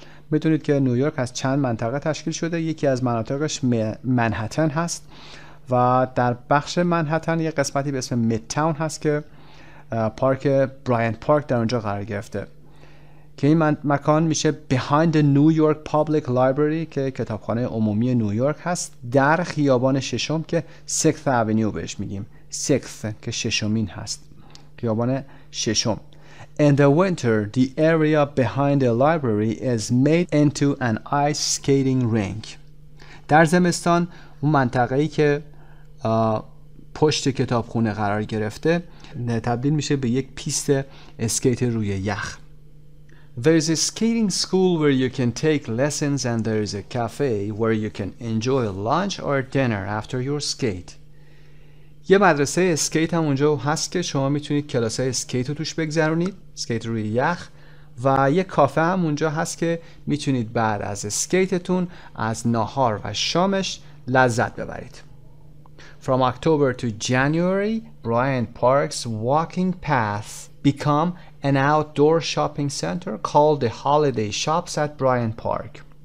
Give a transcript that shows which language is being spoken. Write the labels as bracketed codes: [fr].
[fa] میتونید که نیویورک از چند منطقه تشکیل شده، یکی از مناطقش منهتن هست و در بخش منهتن یک قسمتی به اسم میدتاون هست که پارک برایانت پارک در اونجا قرار گرفته که این مکان میشه [en] behind the New York Public Library [fa] که کتابخانه عمومی نیویورک هست، در خیابان ششم که 6th Avenue بهش میگیم، 6th که ششمین هست، خیابان ششم. [en] In the winter, the area behind the library is made into an ice skating rink. [fa] در زمستان اون منطقه‌ای که پشت کتابخونه قرار گرفته تبدیل میشه به یک پیست اسکیت روی یخ. [en] There is a skating school where you can take lessons and there is a cafe where you can enjoy lunch or dinner after your skate. [fa] یه مدرسه اسکیت هم اونجا هست که شما میتونید کلاس های اسکیت رو توش بگذرونید، اسکیت روی یخ، و یه کافه هم اونجا هست که میتونید بعد از اسکیتتون از ناهار و شامش لذت ببرید. [en] From October to January, Bryant Park's walking path become an outdoor shopping center called the Holiday Shops at Bryant Park.